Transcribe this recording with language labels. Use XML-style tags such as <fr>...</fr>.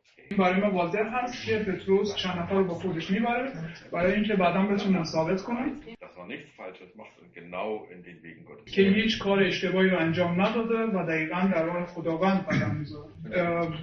<fa>این برای ما واضح هست که پتروس چند نفر رو با خودش میبره برای اینکه بعدا بتونن ثابت کنن</fa> <de>nichts Falsches macht und genau in den Wegen Gottes.</de> <fa>که هیچ کار اشتباهی رو انجام نداده و دقیقاً در راه خداوند قدم می‌ذاره.</fa>